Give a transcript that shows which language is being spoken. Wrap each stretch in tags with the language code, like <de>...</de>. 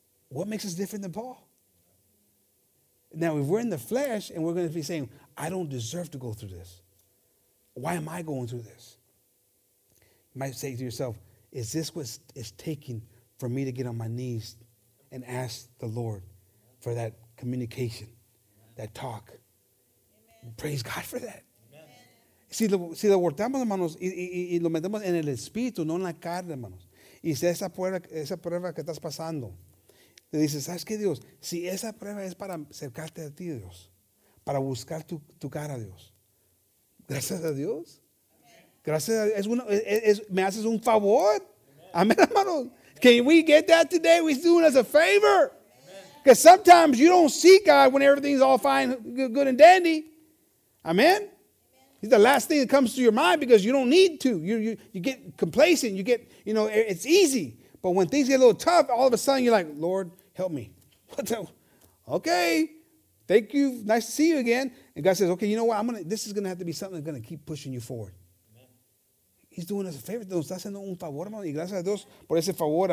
<en>What makes us different than Paul? Now, if we're in the flesh and we're going to be saying, I don't deserve to go through this. Why am I going through this? You might say to yourself, is this what it's taking for me to get on my knees and ask the Lord for that communication, that talk? Amen. Praise God for that. Amen.</en> <es>Si lo guardamos, hermanos, y lo metemos en el espíritu, no en la carne, hermanos. Y si esa prueba que estás pasando, te dices, ¿sabes qué, Dios? Si esa prueba es para acercarte a ti, Dios, para buscar tu cara a Dios, gracias a Dios. Gracias a Dios. Me haces un favor. Amén, hermanos.</es> <en>Can we get that today? We're doing us a favor. Because sometimes you don't see God when everything's all fine, good and dandy. Amen? He's the last thing that comes to your mind because you don't need to. You get complacent. You get, you know, it's easy. But when things get a little tough, all of a sudden you're like, Lord, help me. Okay. Thank you. Nice to see you again. And God says, okay, you know what? This is going to have to be something that's going to keep pushing you forward. He's doing us a favor.</en> <es>Nos está haciendo un favor, hermano. Y gracias a Dios por ese favor.</es>